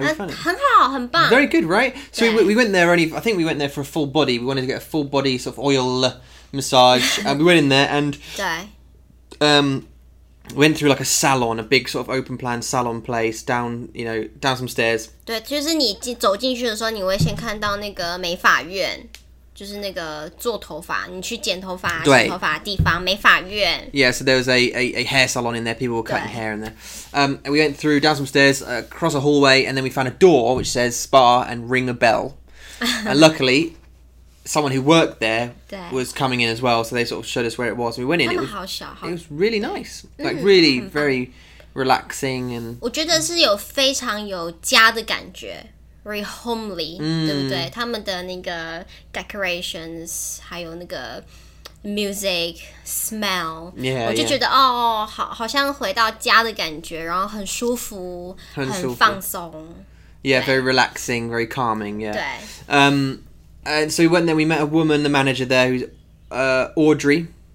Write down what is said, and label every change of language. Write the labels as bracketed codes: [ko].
[en] we found it. [zh] 很好，很棒 [en] Very good, right? So we went there only. I think we went there for a full body. We wanted to get a full body sort of oil. Massage. We went in there and went through like a salon, a big sort of open plan salon place down, you know, down some stairs. [zh] 对，就是你走进去的时候，你会先看到那个美发院，就是那个做头发，你去剪头发、洗头发的地方，美发院。 [en] Yeah, so there was a hair salon in there. People were cutting hair in there. And we went through down some stairs, across a hallway, and then we found a door which says spa and ring a bell. And luckily. Someone who worked there was coming in as well, so they sort of showed us where it was. We went in. It was really nice, like really very relaxing and. [zh] 我觉得是有非常有家的感觉 ， [en] very homely， [zh] 对不对？他们的那个 decorations， 还有那个 [en] music smell， yeah, [zh] 我就觉得、 [en] yeah. [zh] 哦，好像回到家的感觉，然后很舒服，很舒服，很放松。 [en] Yeah, very relaxing, very calming. Yeah. [zh] 对。 [en] And so we went there, we met a woman, the manager there, who's Audrey.